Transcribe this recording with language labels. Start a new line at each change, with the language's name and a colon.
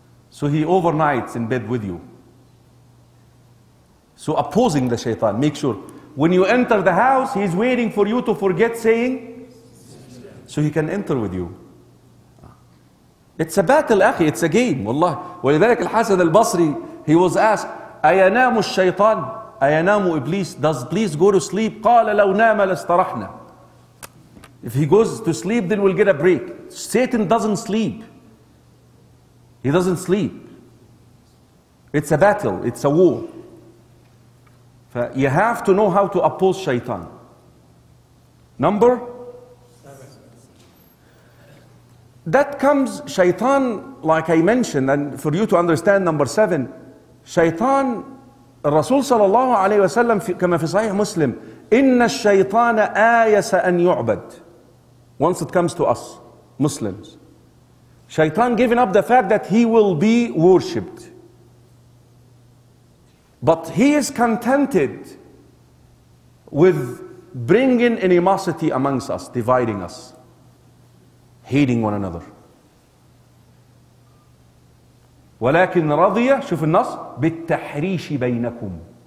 English: So he overnights in bed with you. So opposing the shaitan, make sure. When you enter the house, he's waiting for you to forget saying, so he can enter with you. It's a battle, akhi, it's a game, wallah.
Arabic: ولذلك الحسن البصري,
English: he was asked,
Arabic: أينام الشيطان, أينام إبليس,
English: does إبليس go to sleep?
Arabic: قال لو نام لاسترحنا.
English: If he goes to sleep, then we'll get a break. Satan doesn't sleep. He doesn't sleep. It's a battle, it's a war. You have to know how to oppose shaitan. Number? Seven. That comes, shaitan, like I mentioned, and for you to understand, number seven, shaitan, Rasul sallallahu alayhi wa sallam,
Arabic: كما في صحيح مسلم, إِنَّ الشَّيْطَانَ آيَسَ أَنْ يُعْبَدْ.
English: Once it comes to us, Muslims. Shaitan giving up the fact that he will be worshipped. But he is contented with bringing animosity amongst us, dividing us, hating one another.
Arabic: ولكن رضي, شوف النص, بالتحريش بينكم.